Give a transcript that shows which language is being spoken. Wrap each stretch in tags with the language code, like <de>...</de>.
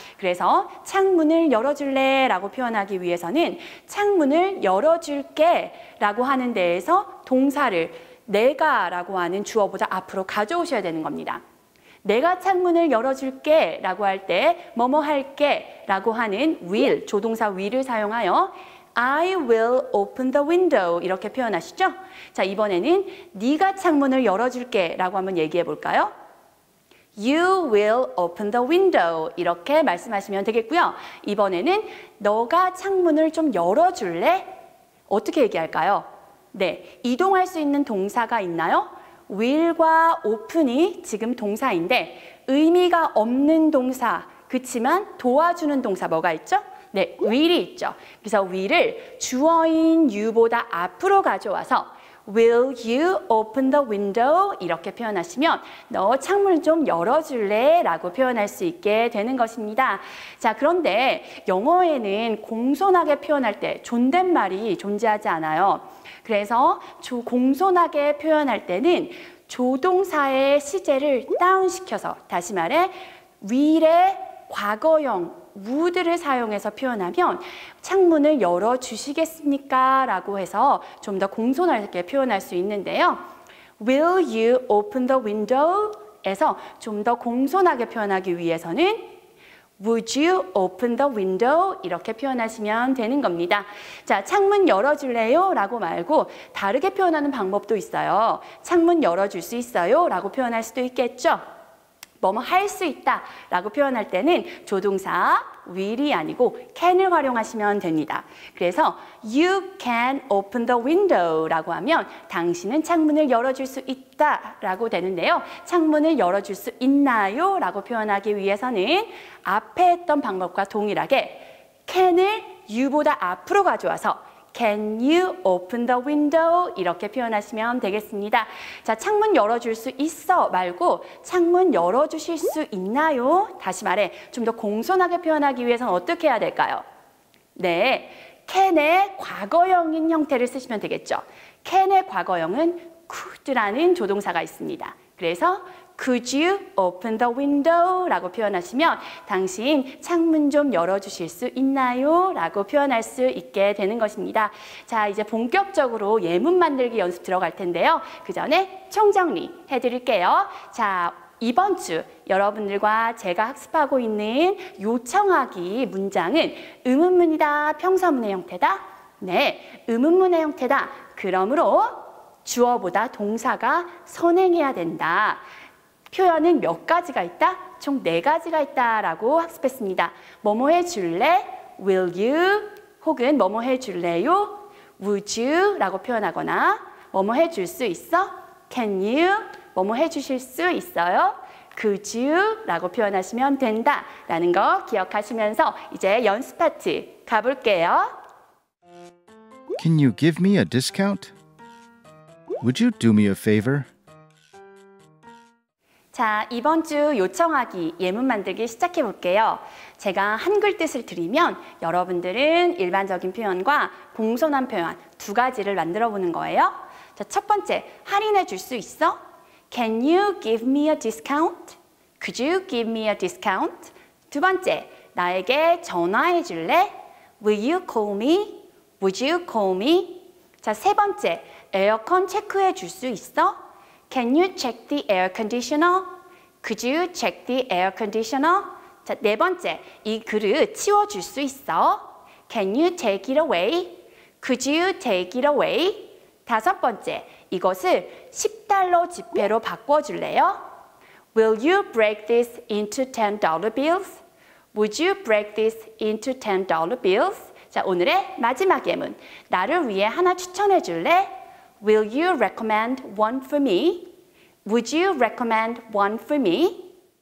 <ko>그래서 창문을 열어줄래? 라고 표현하기 위해서는 창문을 열어줄게 라고 하는 데에서 동사를 내가 라고 하는 주어보다 앞으로 가져오셔야 되는 겁니다. 내가 창문을 열어줄게 라고 할 때 뭐뭐 할게 라고 하는 will, 조동사 will을 사용하여</ko> <en>I will open the window</en> <ko>이렇게 표현하시죠? 자, 이번에는 네가 창문을 열어줄게 라고 한번 얘기해 볼까요?</ko> <en>You will open the window</en> <ko>이렇게 말씀하시면 되겠고요. 이번에는 너가 창문을 좀 열어줄래? 어떻게 얘기할까요? 네, 이동할 수 있는 동사가 있나요? will과 open이 지금 동사인데 의미가 없는 동사, 그치만 도와주는 동사 뭐가 있죠? 네, will이 있죠. 그래서 will을 주어인 you보다 앞으로 가져와서</ko> <en>will you open the window?</en> <ko>이렇게 표현하시면 너 창문 좀 열어줄래? 라고 표현할 수 있게 되는 것입니다. 자, 그런데 영어에는 공손하게 표현할 때 존댓말이 존재하지 않아요. 그래서 공손하게 표현할 때는 조동사의 시제를 다운시켜서 다시 말해 will의 과거형 would를 사용해서 표현하면 창문을 열어주시겠습니까? 라고 해서 좀 더 공손하게 표현할 수 있는데요.</ko> <en>Will you open the window?</en> <ko>에서 좀 더 공손하게 표현하기 위해서는</ko> <en>Would you open the window?</en> <ko>이렇게 표현하시면 되는 겁니다. 자, 창문 열어줄래요? 라고 말고 다르게 표현하는 방법도 있어요. 창문 열어줄 수 있어요? 라고 표현할 수도 있겠죠. 뭐뭐 할 수 있다 라고 표현할 때는 조동사 will이 아니고 can을 활용하시면 됩니다. 그래서</ko> <en>you can open the window</en> <ko>라고 하면 당신은 창문을 열어줄 수 있다 라고 되는데요. 창문을 열어줄 수 있나요? 라고 표현하기 위해서는 앞에 했던 방법과 동일하게 can을 you보다 앞으로 가져와서</ko> <en>Can you open the window?</en> <ko>이렇게 표현하시면 되겠습니다. 자, 창문 열어줄 수 있어 말고 창문 열어주실 수 있나요? 다시 말해 좀 더 공손하게 표현하기 위해서는 어떻게 해야 될까요? 네, can의 과거형인 형태를 쓰시면 되겠죠. can의 과거형은 could라는 조동사가 있습니다. 그래서</ko> <en>Could you open the window?</en> <ko>라고 표현하시면 당신 창문 좀 열어주실 수 있나요? 라고 표현할 수 있게 되는 것입니다. 자, 이제 본격적으로 예문 만들기 연습 들어갈 텐데요. 그 전에 총정리 해드릴게요. 자, 이번 주 여러분들과 제가 학습하고 있는 요청하기 문장은 의문문이다, 평서문의 형태다? 네, 의문문의 형태다. 그러므로 주어보다 동사가 선행해야 된다. 표현은 몇 가지가 있다? 총 네 가지가 있다라고 학습했습니다. 뭐뭐 해줄래?</ko> <en>Will you?</en> <ko>혹은 뭐뭐 해줄래요?</ko> <en>Would you?</en> <ko>라고 표현하거나 뭐뭐 해줄 수 있어?</ko> <en>Can you?</en> <ko>뭐뭐 해주실 수 있어요?</ko> <en>Could you?</en> <ko>라고 표현하시면 된다 라는 거 기억하시면서 이제 연습 파트 가볼게요.</ko> <en>Can you give me a discount? Would you do me a favor?</en> <ko>자, 이번 주 요청하기 예문 만들기 시작해 볼게요. 제가 한글 뜻을 드리면 여러분들은 일반적인 표현과 공손한 표현 두 가지를 만들어 보는 거예요. 자, 첫 번째, 할인해 줄 수 있어?</ko> <en>Can you give me a discount? Could you give me a discount?</en> <ko>두 번째, 나에게 전화해 줄래?</ko> <en>Will you call me? Would you call me?</en> <ko>자, 세 번째, 에어컨 체크해 줄 수 있어?</ko> <en>Can you check the air conditioner? Could you check the air conditioner?</en> <ko>자, 네 번째, 이 그릇 치워줄 수 있어?</ko> <en>Can you take it away? Could you take it away?</en> <ko>다섯 번째, 이것을 10달러 지폐로 바꿔줄래요?</ko> <en>Will you break this into $10 bills? Would you break this into $10 bills?</en> <ko>자, 오늘의 마지막 예문, 나를 위해 하나 추천해 줄래?</ko> <en>Will you recommend one for me? Would you recommend one for me?</en>